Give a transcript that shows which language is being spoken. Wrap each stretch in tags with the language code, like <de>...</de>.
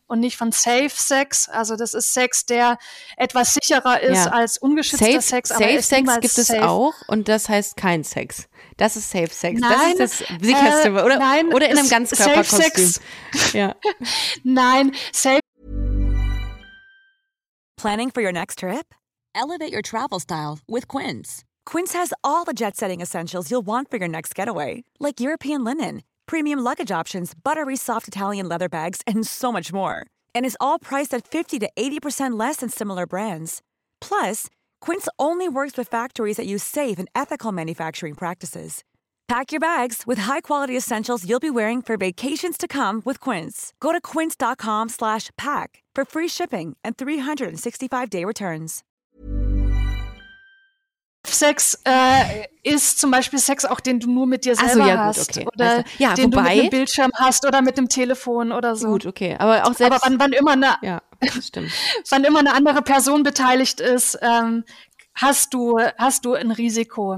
<de>und nicht von Safe Sex. Also das ist Sex, der etwas sicherer ist als ungeschützter safe, Sex. Aber safe Sex gibt es auch und das heißt kein Sex. Das ist Safe Sex. Nein, das ist das sicherste. Oder in einem Ganzkörperkostüm. Safe Sex. Ja. Nein, Safe.</de> <en>Planning for your next trip? Elevate your travel style with Quince. Quince has all the jet-setting essentials you'll want for your next getaway, like European linen, premium luggage options, buttery soft Italian leather bags, and so much more. And it's all priced at 50 to 80% less than similar brands. Plus, Quince only works with factories that use safe and ethical manufacturing practices. Pack your bags with high-quality essentials you'll be wearing for vacations to come with Quince. Go to quince.com/pack for free shipping and 365-day returns.</en> <de>Sex ist zum Beispiel Sex, auch den du nur mit dir selber hast. Okay. Oder also, ja, den wobei, du mit einem Bildschirm hast oder mit einem Telefon oder so. Gut, okay. Aber auch selbst. Aber wann immer eine, ja, stimmt. Wann immer eine andere Person beteiligt ist, hast du ein Risiko.</de>